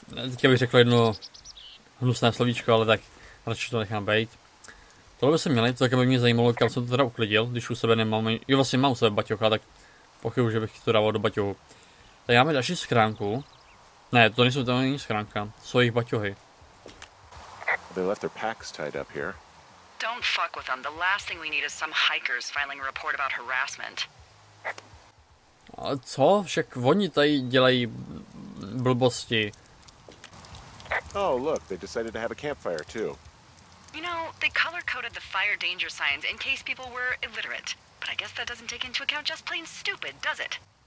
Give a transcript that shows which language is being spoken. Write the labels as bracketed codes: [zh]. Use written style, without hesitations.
[cs] Teď bych řekl jedno hnusné slovíčko, ale tak radši to nechám bejt. Tohle by se měli, to také by mě zajímalo, kam jsem to teda uklidil, když u sebe nemám, jo vlastně mám u sebe baťocha, tak pochybuji, že bych to dával do baťohu. Tak já mám další schránku. Ne, to nejsou tam ani schránka, jsou jejich baťohy. [en] They left their packs tied up here. Don't fuck with them. The last thing we need is some hikers filing a report about harassment. [cs] Ale co? Však oni tady dělají blbosti. [en] Oh, look, they decided to have a campfire too. You know, they color-coded the fire danger signs in case people were illiterate. But I guess that doesn't take into account just plain stupid, does it?